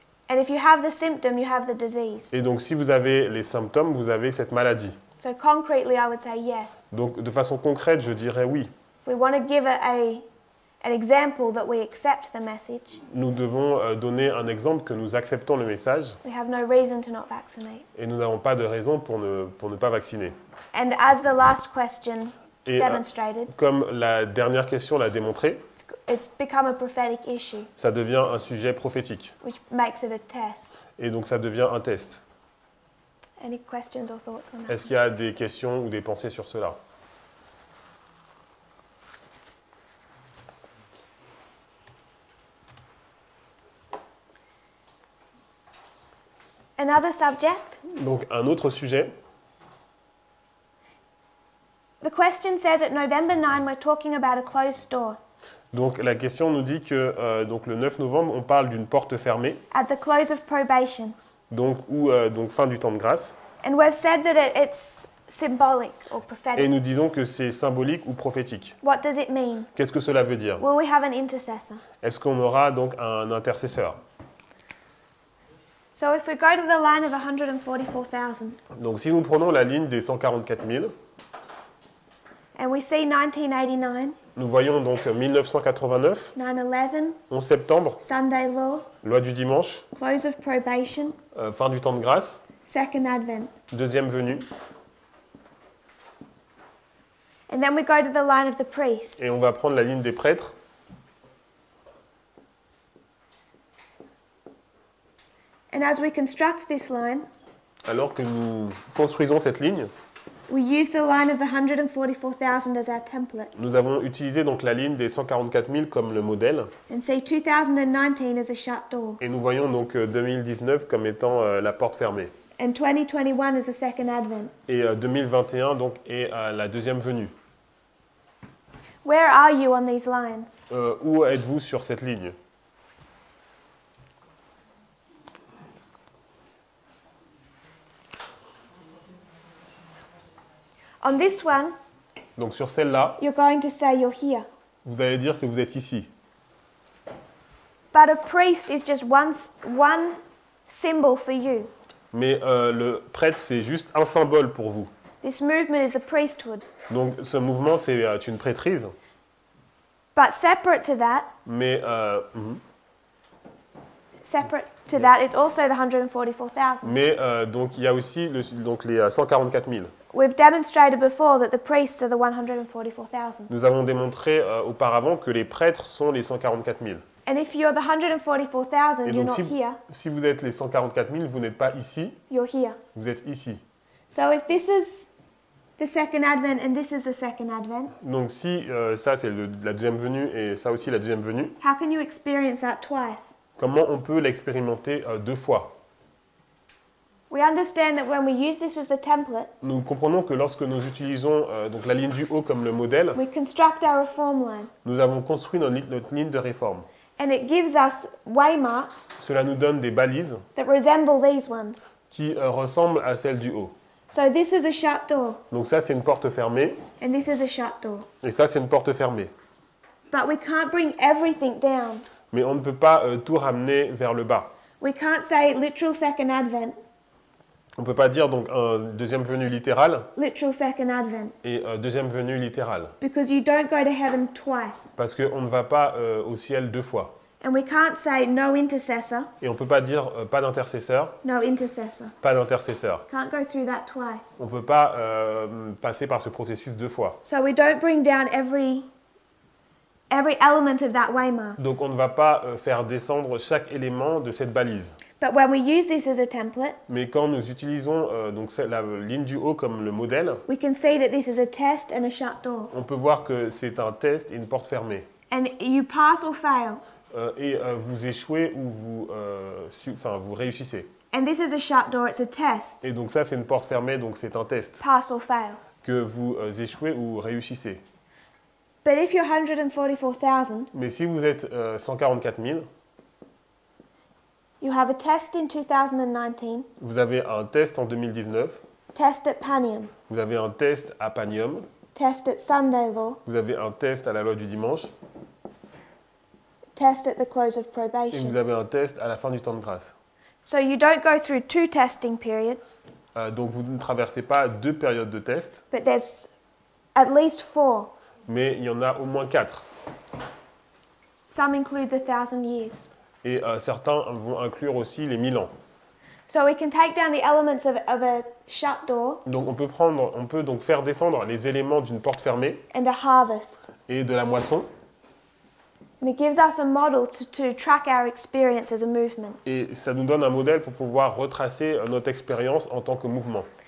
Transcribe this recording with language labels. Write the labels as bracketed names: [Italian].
[English] And if you have the symptom, you have the disease. [French] Et donc si vous avez les symptômes, vous avez cette maladie. [English] So concretely, I would say yes. [French] Donc de façon concrète, je dirais oui. [English] We want to give it an example that we accept the message. [French] Nous devons donner un exemple que nous acceptons le message. [English] We have no reason to not vaccinate. [French] Et nous n'avons pas de raison pour ne pas vacciner. [English] And as the last question demonstrated, [French] comme la dernière question l'a démontré, [English] it's become a prophetic issue. [French] Ça devient un sujet prophétique. [English] Which makes it a test. [French] Et donc ça devient un test. [English] Any questions or thoughts on that? [French] Est-ce qu'il y a des questions ou des pensées sur cela? [English] Another subject. [French] Donc un autre sujet. [English] The question says at November 9 we're talking about a closed door. [French] Donc la question nous dit que donc le 9 novembre on parle d'une porte fermée. [English] At the close of probation. [French] Donc donc fin du temps de grâce. [English] And we've said that it's symbolic or prophetic. [French] Et nous disons que c'est symbolique ou prophétique. [English] What does it mean? [French] Qu'est-ce que cela veut dire? [English] Will we have an intercessor? [French] Est-ce qu'on aura donc un intercesseur? [English] So if we go to the line of 144,000. [French] Donc si nous prenons la ligne des 144,000. [English] And we see 1989. [French] Nous voyons donc 1989. [English] 9/11. [French] 11 septembre. [English] Sunday law. [French] Loi du dimanche. [English] Close of probation. [French] Fin du temps de grâce. [English] Second advent. [French] Deuxième venue. [English] And then we go to the line of the priests. [French] Et on va prendre la ligne des prêtres. [English] And as we construct this line, [French] alors que nous construisons cette ligne, [English] we use the line of the 144,000 as our template. [French] Nous avons utilisé donc la ligne des 144,000 comme le modèle. [English] And see 2019 as a shut door. [French] Et nous voyons donc 2019 comme étant la porte fermée. [English] And 2021 as the second advent. [French] Et 2021 donc est la deuxième venue. [English] Where are you on these lines? [French] Où êtes-vous sur cette ligne? [English] On this one, [French] donc sur celle-là, [English] you're going to say you're here. [French] Vous allez dire que vous êtes ici. [English] But a priest is just one symbol for you. [French] Mais le prêtre, c'est juste un symbole pour vous. [English] This movement is the priesthood. [French] Donc ce mouvement, c'est une prêtrise. [English] But separate to that, [French] mais, [English] separate to that, it's also the 144,000. [French] Mais donc il y a aussi les 144,000. [English] We've demonstrated before that the priests are the 144,000. [French] Nous avons démontré auparavant que les prêtres sont les 144,000. [English] And if you're the 144,000, you're not here. [French] Si vous êtes les 144,000, vous n'êtes pas ici. [English] You're here. [French] Vous êtes ici. [English] So if this is the second advent and this is the second advent. [French] Donc si ça c'est la deuxième venue et ça aussi la deuxième venue. [English] How can you experience that twice? [French] Comment on peut l'expérimenter deux fois? [English] We understand that when we use this as the template. [French] Nous comprenons que lorsque nous utilisons donc la ligne du haut comme le modèle. [English] We construct our reform line. [French] Nous avons construit notre ligne de réforme. [English] And it gives us waymarks. [French] Cela nous donne des balises. [English] That resemble these ones. [French] Qui ressemblent à celles du haut. [English] So this is a shut door. [French] Donc ça c'est une porte fermée. [English] And this is a shut door. [French] Et ça c'est une porte fermée. [English] But we can't bring everything down. [French] Mais on ne peut pas tout ramener vers le bas. [English] We can't say literal second advent. [French] On peut pas dire donc deuxième venue littérale. [English] Literal second advent. [French] Et deuxième venue littérale. [English] Because you don't go to heaven twice. [French] Parce que on ne va pas au ciel deux fois. [English] And we can't say no intercessor. [French] Et on peut pas dire pas d'intercesseur. [English] No intercessor. [French] Pas d'intercesseur. [English] Can't go through that twice. [French] On peut pas passer par ce processus deux fois. [English] So we don't bring down every element of that waymark. [French] Donc on ne va pas faire descendre chaque élément de cette balise. [English] But when we use this as a template. [French] Mais quand nous utilisons donc la ligne du haut comme le modèle. [English] We can see that this is a test and a shut door. [French] On peut voir que c'est un test et une porte fermée. [English] And you pass or fail. [French] Vous échouez ou vous réussissez. [English] And this is a shut door, it's a test. [French] Et donc ça, c'est une porte fermée, donc c'est un test. [English] Pass or fail. [French] Que vous échouez ou réussissez. [English] But if you're 144,000, [French] mais si vous êtes 144,000, [English] you have a test in 2019, [French] vous avez un test en 2019, [English] test at Panium. [French] Vous avez un test à Panium, [English] test at Sunday law. [French] Vous avez un test à la loi du dimanche, [English] test at the close of probation. [French] Et vous avez un test à la fin du temps de grâce. [English] So you don't go through two testing periods. [French] Donc vous ne traversez pas deux périodes de test. [English] But there's at least four. [French] Mais il y en a au moins quatre. [English] Some include the thousand years. [French] Et certains vont inclure aussi les 1000 ans. [English] So we can take down the elements of a shut door. [French] Donc on peut donc faire descendre les éléments d'une porte fermée. [English] And a harvest. [French] Et de la moisson. [English] And it gives us a model to track our experience as a movement. [French] Et ça nous donne un modèle pour pouvoir retracer notre expérience en tant que mouvement.